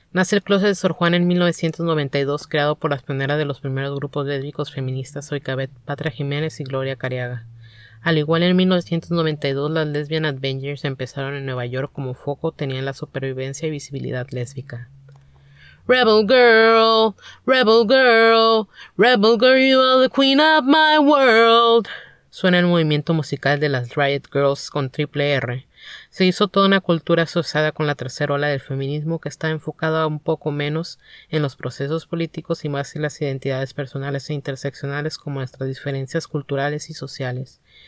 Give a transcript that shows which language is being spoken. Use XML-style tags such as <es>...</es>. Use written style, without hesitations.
<es>Nace el Closet de Sor Juana en 1992, creado por las pioneras de los primeros grupos lésbicos feministas Soicabet, Patria Jiménez y Gloria Cariaga. Al igual en 1992, las Lesbian Avengers empezaron en Nueva York como foco, tenían la supervivencia y visibilidad lésbica.</es> <en>Rebel girl, rebel girl, rebel girl, you are the queen of my world.</en> <es>Suena el movimiento musical de las Riot Girls con Triple R. Se hizo toda una cultura asociada con la tercera ola del feminismo que está enfocada un poco menos en los procesos políticos y más en las identidades personales e interseccionales como nuestras diferencias culturales y sociales.</es>